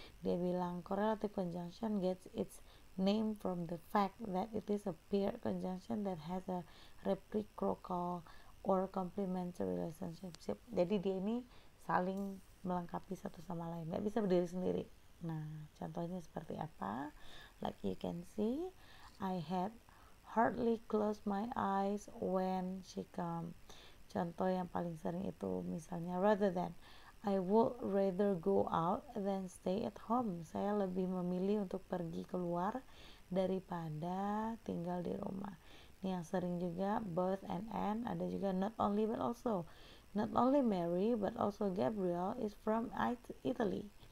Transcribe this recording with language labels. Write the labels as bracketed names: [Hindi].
[Indonesian] Dia bilang [English] correlative conjunction gets its name from the fact that it is a paired conjunction that has a reciprocal or complementary relationship. [Indonesian] Jadi dia ini saling melengkapi satu sama lain, nggak bisa berdiri sendiri. Nah, contohnya seperti apa? [English] Like you can see, I had hardly closed my eyes when she came. [Indonesian] Contoh yang paling sering itu misalnya, [English] rather than, I would rather go out than stay at home. [Indonesian] Saya lebih memilih untuk pergi keluar daripada tinggal di rumah. Ini yang sering juga, both and, ada juga not only but also. [English] Not only Mary but also Gabriel is from Italy.